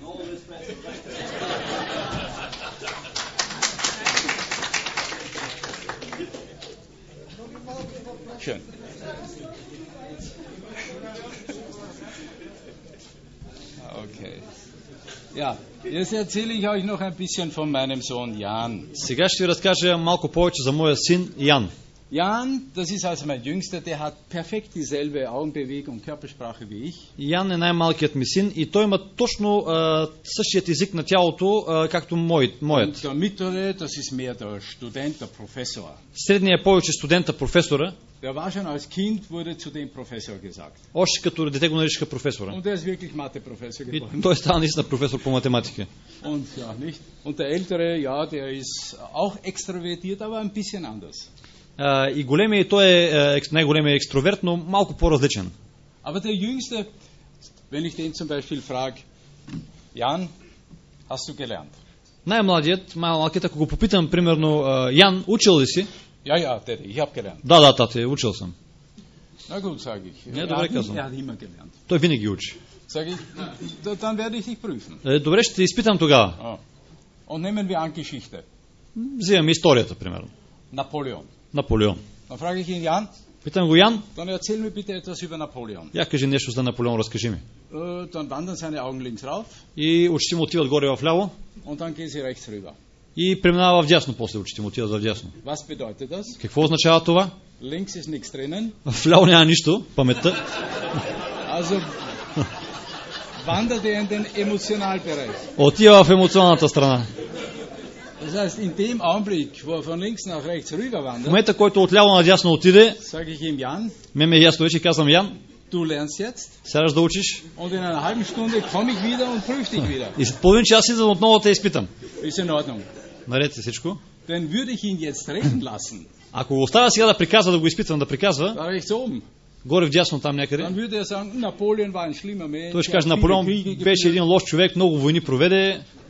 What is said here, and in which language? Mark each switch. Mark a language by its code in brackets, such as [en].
[de] No, das ist schön. Okay. Ja, jetzt erzähle ich euch noch ein bisschen von meinem Sohn Jan. [bg] Сега ще ви разкажа малко повече за моя син Jan. [de] Jan, das ist also mein jüngster, der hat perfekt dieselbe Augenbewegung, Körpersprache wie ich. [bg] Jan е най-малкият ми син и той има точно същият език на тялото, както моят. [de] Und der mittlere, das ist mehr der Student, der Professor. [bg] Средният е повече студента, професора. [de] Der war schon als Kind, wurde zu dem Professor gesagt. [bg] Още като дете го наричаха професора. [de] Und er ist wirklich Mathe-Professor geworden. [bg] И той става наистина професор по математика. [de] Und ja, nicht? Und der ältere, ja, der ist auch extrovertiert, aber ein bisschen anders. [bg] И големия, и той е най-големия екстроверт, но малко по-различен. [de] Aber der jüngste, wenn ich den zum Beispiel frage, Jan, hast du gelernt? [bg] Най-младият, малкият, ако го попитам, примерно, Ян, учил ли си? [de] Ja, ja, tete, ich hab gelernt. [bg] Да, да, тате, учил съм. [de] Na gut, sag ich. [bg] Не, добре казвам. [de] Ja, immer gelernt. [bg] Той винаги учи. [de] Sag ich, dann werde ich dich prüfen. [bg] Добре, ще те изпитам тогава. [de] Und nehmen wir an Geschichte. [bg] Взимам историята, примерно. Наполеон. Наполеон. [de] Dann frage ich ihn, Jan. [bg] Питам го, Ян. [de] Dann erzähl mir bitte etwas über Napoleon. [bg] Я кажи нещо за Наполеон, разкажи ми. [de] Dann wandern seine Augen links rauf. [bg] И очите му отиват горе в ляво. [de] Und dann gehen sie rechts rüber. [bg] И преминава в дясно, после очите му отиват в дясно. [de] Was bedeutet das? [bg] Какво означава това? [de] Links ist nichts drinnen. [bg] В ляво няма нищо, паметта. [de] Also wandert in den Emotionalbereich. [bg] Отива в емоционалната страна. [de] Das heißt, in dem Augenblick, wo er von links nach rechts rüber wandert, [bg] в момента, който от ляво на дясно отиде, [de] sag ich ihm, Jan, [bg] ме ме ясно вече, казвам, Ян, [de] du lernst jetzt, [bg] сядаш да учиш, [de] und in einer halben Stunde komme ich wieder und prüfe dich wieder. [bg] И половин час идвам отново те изпитам. [de] Ist in Ordnung. [bg] Наред се всичко. [de] Dann würde ich ihn jetzt rechnen lassen. [bg] Ако го оставя сега да приказва, да го изпитвам, да приказва, [de] da rechts oben. [bg] Горе в дясно там някъде. [de] Dann würde er sagen, Napoleon war ein schlimmer Mensch. [bg] Той ще каже, Наполеон беше един лош човек, много войни проведе.